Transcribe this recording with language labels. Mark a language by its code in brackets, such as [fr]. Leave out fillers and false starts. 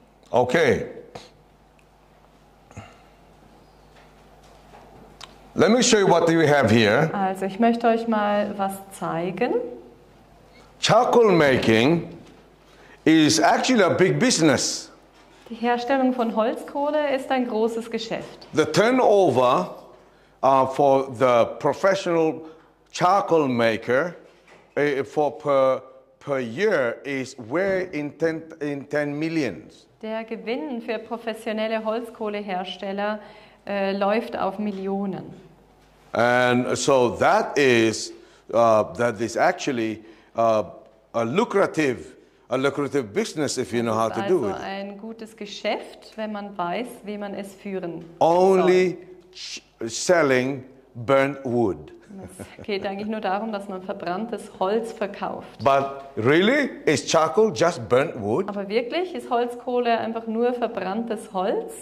[en] Okay. Let me show you what we have here. [de] Also, ich möchte euch mal was zeigen. [en] Charcoal making is actually a big business. [de] Die Herstellung von Holzkohle ist ein großes Geschäft. [en] The turnover for the professional charcoal maker per year is way in 10 millions. [de] Der Gewinn für professionelle Holzkohlehersteller läuft auf Millionen. [en] And so that is actually a lucrative business if you know how to do it. [de] Also ein gutes Geschäft, wenn man weiß, wie man es führen soll. [en] Only selling burnt wood. [de] Es geht eigentlich nur darum, dass man verbranntes Holz verkauft. [en] But really, is charcoal just burnt wood? [de] Aber wirklich, ist Holzkohle einfach nur verbranntes Holz?